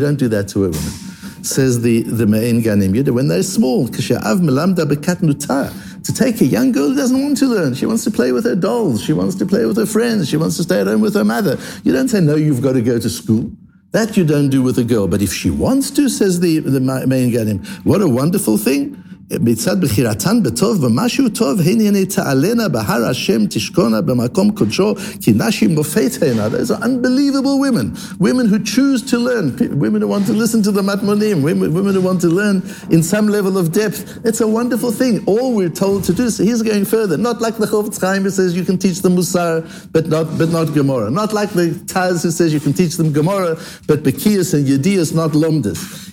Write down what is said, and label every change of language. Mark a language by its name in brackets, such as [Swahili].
[English] You don't do that to a woman. Says the Me'en Ganim, when they're small, [Hebrew] kasha'av melamda bekat nuta, [English] to take a young girl who doesn't want to learn, she wants to play with her dolls, she wants to play with her friends, she wants to stay at home with her mother. You don't say, no, you've got to go to school. That you don't do with a girl. But if she wants to, says the Me'en Ganim, what a wonderful thing. [Hebrew] מצד בחירתן בטוב ומשהו טוב הן הנה תעלנה בהר השם תשכונה במקום קודשו כי נשים מופת הנה. [English] Those are unbelievable women. Women who choose to learn. Women who want to listen to the matmonim. Women who want to learn in some level of depth. It's a wonderful thing. All we're told to do. So he's going further. Not like the Chofetz Chaim who says you can teach them Musar but not Gemara. Not like the Taz who says you can teach them Gemara but Bekiyas and Yediyas not Lomdas.